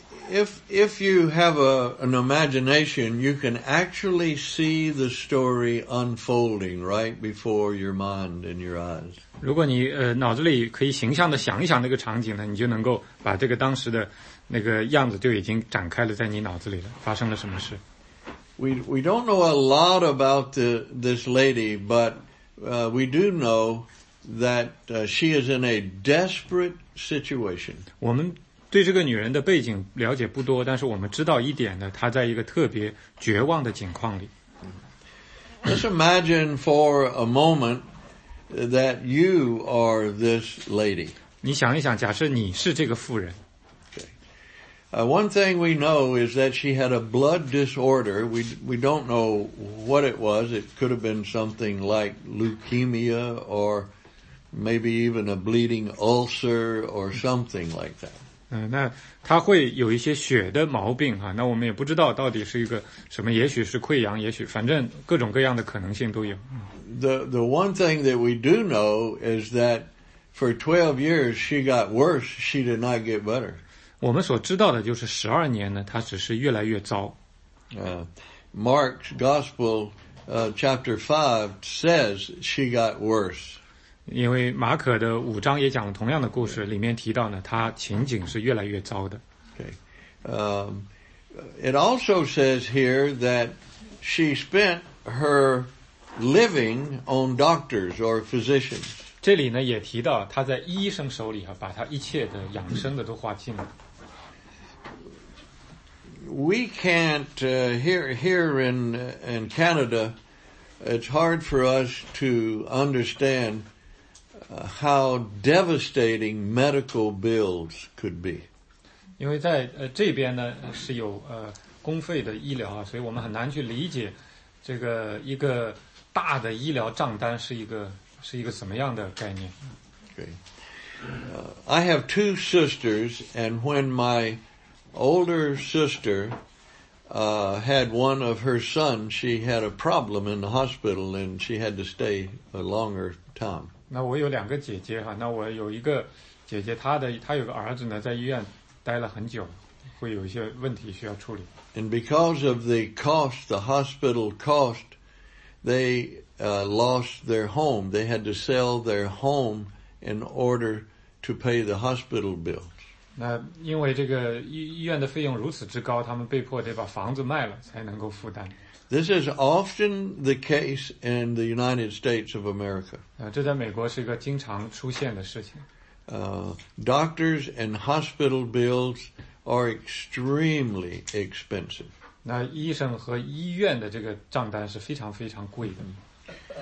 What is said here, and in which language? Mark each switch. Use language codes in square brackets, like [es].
[en] if you have an imagination, you can actually see the story unfolding right before your mind and your eyes. [zh] 如果你脑子里可以形象的想一想那个场景呢，你就能够把这个当时的那个样子就已经展开了在你脑子里了，发生了什么事。 [en] We don't know a lot about this lady, but we do know that she is in a desperate situation. [zh] 我们对这个女人的背景了解不多，但是我们知道一点呢，她在一个特别绝望的境况里。 [en] Let's imagine for a moment that you are this lady. [zh] 你想一想，假设你是这个妇人。 [en] One thing we know is that she had a blood disorder. We don't know what it was. It could have been something like leukemia or maybe even a bleeding ulcer or something like that. [zh] 那她会有一些血的毛病啊，那我们也不知道到底是一个什么，也许是溃疡，也许反正各种各样的可能性都有。 [en] The one thing that we do know is that for 12 years she got worse. She did not get better. [zh] 我们所知道的就是十二年呢，他只是越来越糟。 [en] Mark's Gospel, chapter 5 says she got worse. [zh] 因为马可的五章也讲了同样的故事，里面提到呢，他情景是越来越糟的。 [en] Okay. It also says here that she spent her living on doctors or physicians. [zh] 这里呢也提到他在医生手里啊，把他一切的养生的都花尽了。 [en] We can't, here in Canada, it's hard for us to understand how devastating medical bills could be. [zh] 因为在这边呢是有公费的医疗啊，所以我们很难去理解这个一个大的医疗账单是一个什么样的概念。 [en] Okay. I have two sisters, and when my older sister had one of her sons. She had a problem in the hospital, and she had to stay a longer time. [zh] 那我有两个姐姐哈，那我有一个姐姐，她有个儿子呢，在医院待了很久，会有一些问题需要处理。 [en] And because of the cost, the hospital cost, they lost their home. They had to sell their home in order to pay the hospital bill. [zh] 那因为这个医院的费用如此之高，他们被迫得把房子卖了才能够负担。 [en] This is often the case in the United States of America. [zh] 这在美国是一个经常出现的事情。 [en] Doctors and hospital bills are extremely expensive. [zh] 那医生和医院的这个账单是非常非常贵的。